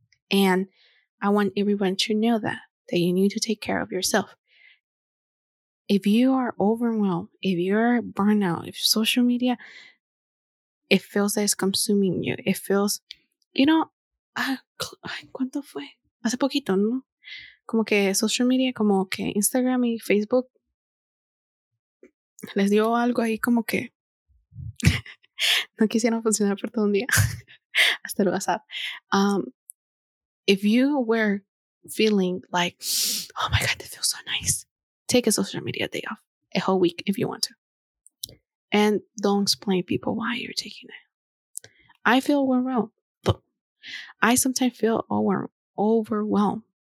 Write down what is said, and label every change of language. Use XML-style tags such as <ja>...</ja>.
<en>And I want everyone to know that you need to take care of yourself. If you are overwhelmed, if you're burned out, if social media, it feels that it's consuming you. It feels, you know,</en> <es>¿cuánto fue? Hace poquito, ¿no? Como que social media, como que Instagram y Facebook les dio algo ahí como que no quisieron funcionar por todo un día. Hasta el WhatsApp.</es> <en>If you were feeling like, oh my God, that feels so nice, take a social media day off, a whole week if you want to. And don't explain people why you're taking it. I feel overwhelmed. I sometimes feel overwhelmed</en>